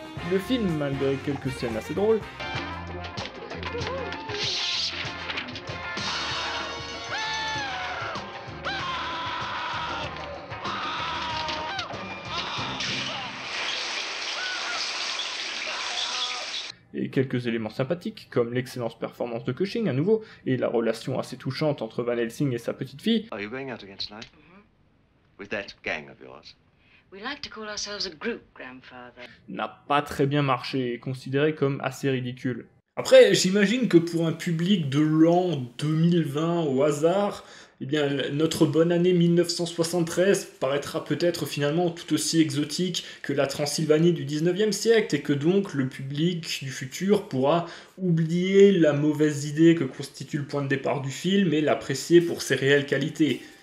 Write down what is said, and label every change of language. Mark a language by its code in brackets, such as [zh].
[fr] Le film, malgré quelques scènes assez drôles, et quelques éléments sympathiques, comme l'excellente performance de Cushing à nouveau, et la relation assez touchante entre Van Helsing et sa petite fille. [en] Are you going out again tonight? With that gang of yours? We like to call ourselves a group, grandfather. [fr] N'a pas très bien marché, et considéré comme assez ridicule. Après, j'imagine que pour un public de l'an 2020 au hasard, eh bien, notre bonne année 1973 paraîtra peut-être finalement tout aussi exotique que la Transylvanie du 19e siècle, et que donc le public du futur pourra oublier la mauvaise idée que constitue le point de départ du film et l'apprécier pour ses réelles qualités.